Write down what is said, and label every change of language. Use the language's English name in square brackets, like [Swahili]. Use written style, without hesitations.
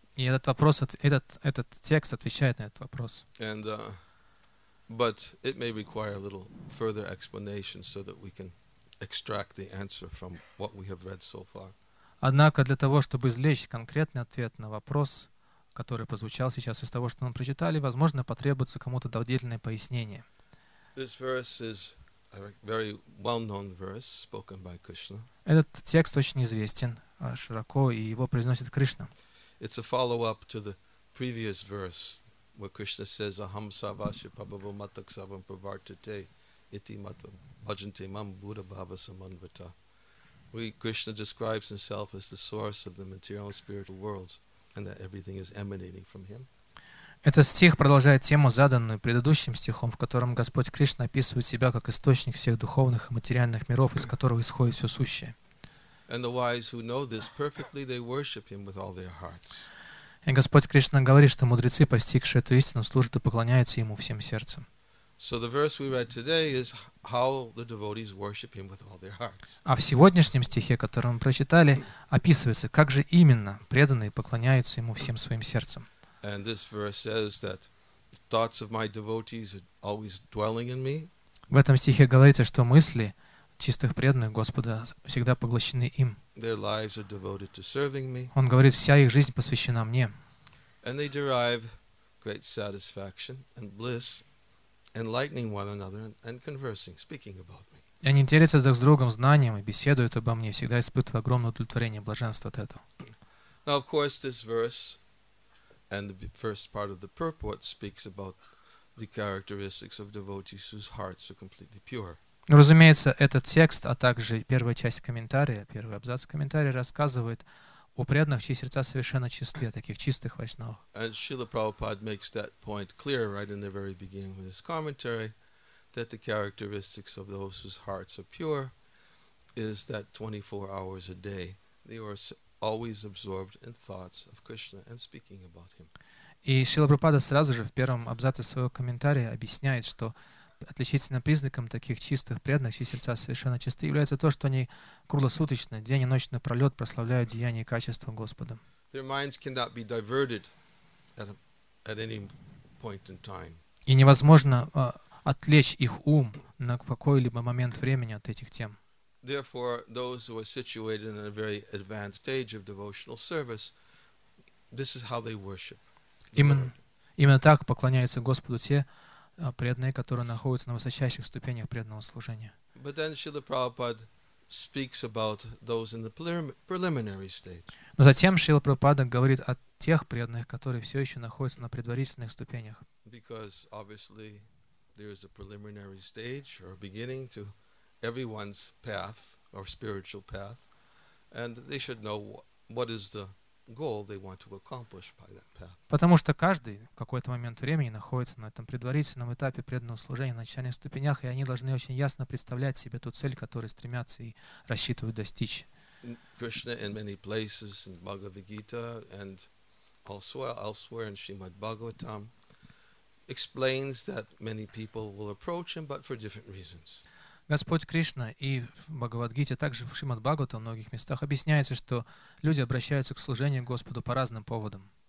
[Russian] И этот вопрос, этот текст отвечает на этот вопрос. [English] And, but it may require a little further explanation so that we can extract the answer from what we have read so far. [Russian] Однако для того, чтобы извлечь конкретный ответ на вопрос, который прозвучал сейчас из того, что мы прочитали, возможно, потребуется кому-то дополнительное пояснение. [English] This verse is a very well-known verse spoken by Krishna. [Russian] Этот текст очень известен широко, и его произносит Кришна. [English] It's a follow-up to the previous verse, where Krishna says, [Sanskrit] "Aham savasya pabhava matak savam pravartate iti matvam." Ajante mam buddha bhava samanvata. [English] Krishna describes himself as the source of the material and spiritual worlds, and that everything is emanating from him. [Russian] Этот стих продолжает тему, заданную предыдущим стихом, в котором Господь Кришна описывает себя как источник всех духовных и материальных миров, из которых исходит все сущее. [English] And the wise who know this perfectly, they worship him with all their hearts. [Russian] И Господь Кришна говорит, что мудрецы, постигшие эту истину, служат и поклоняются ему всем сердцем. [English] So the verse we read today is how the devotees worship him with all their hearts. [Russian] А в сегодняшнем стихе, который мы прочитали, описывается, как же именно преданные поклоняются ему всем своим сердцем. [English] And this verse says that thoughts of my devotees are always dwelling in me. [Russian] В этом стихе говорится, что мысли чистых преданных Господа всегда поглощены им. [English] Their lives are devoted to serving me. [Russian] Он говорит, вся их жизнь посвящена мне. [English] And they derive great satisfaction and bliss. Enlightening one another and conversing, speaking about me. [Russian] Они делятся друг с другом знанием и беседуют обо мне, всегда испытывая огромное удовлетворение, блаженство от этого. [English] Now, of course, this verse and the first part of the purport speaks about the characteristics of devotees whose hearts are completely pure. [Russian] Разумеется, этот текст, а также первая часть комментария, первый абзац комментария, рассказывает о преданных, чьи сердца совершенно чисты, о таких чистых вайшнавах. [English] And Srila Prabhupada makes that point clear right in the very beginning of his commentary, that the characteristics of those whose hearts are pure is that 24 hours a day they are always absorbed in thoughts of Krishna and speaking about him. [Russian] И Шрила Прабхупада сразу же в первом абзаце своего комментария объясняет, что отличительным признаком таких чистых преданных, чьи сердца совершенно чисты, является то, что они круглосуточно, день и ночь напролет прославляют деяния и качества Господа. [English] Their minds cannot be diverted at any point in time. [Russian] И невозможно отвлечь их ум на какой-либо момент времени от этих тем. [English] Therefore, those who are situated in a very advanced stage of devotional service, this is how they worship. [Russian] Именно так поклоняются Господу те преданные, которые находятся на высочайших ступенях преданного служения. [English] But then Srila Prabhupada speaks about those in the preliminary stage. [Russian] Но затем Шрила Прабхупада говорит о тех преданных, которые все еще находятся на предварительных ступенях. [English] Because obviously there is a preliminary stage or beginning to everyone's path or spiritual path, and they should know what is the goal they want to accomplish by that path. [Russian] Потому что каждый в какой-то момент времени находится на этом предварительном этапе преданного служения, на начальных ступенях, и они должны очень ясно представлять себе ту цель, которой стремятся и рассчитывают достичь. [English] Krishna in many places in Bhagavad Gita and also elsewhere in Srimad Bhagavatam explains that many people will approach him, but for different reasons. [Russian] Господь Кришна и в Бхагавадгите, также в Шримад Бхагавате, в многих местах объясняется, что люди обращаются к служению Господу по разным поводам.